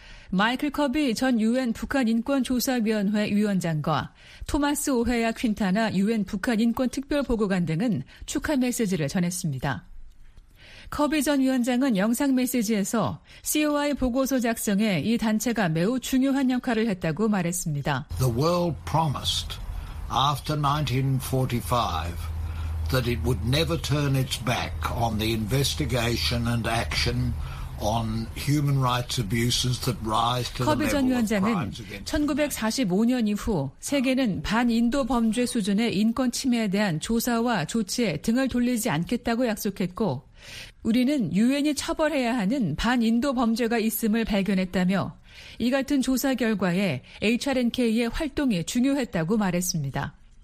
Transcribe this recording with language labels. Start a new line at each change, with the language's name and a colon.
Korean: 마이클 커비 전 유엔 북한인권조사위원회 위원장과 토마스 오헤야 퀸타나 유엔 북한인권특별보고관 등은 축하 메시지를 전했습니다. 커비 전 위원장은 영상 메시지에서 COI 보고서 작성에 이 단체가 매우 중요한 역할을 했다고 말했습니다.
English: The world promised after 1945 that it would never turn its back on the investigation and action on human rights abuses that rise to the level of crimes against
Korean: 1945년 이후 세계는 반인도 범죄 수준의 인권 침해에 대한 조사와 조치에 등을 돌리지 않겠다고 약속했고 우리는 유엔이 처벌해야 하는 반인도 범죄가 있음을 발견했다며 이 같은 조사 결과에 HRNK의 활동이 중요했다고 말했습니다.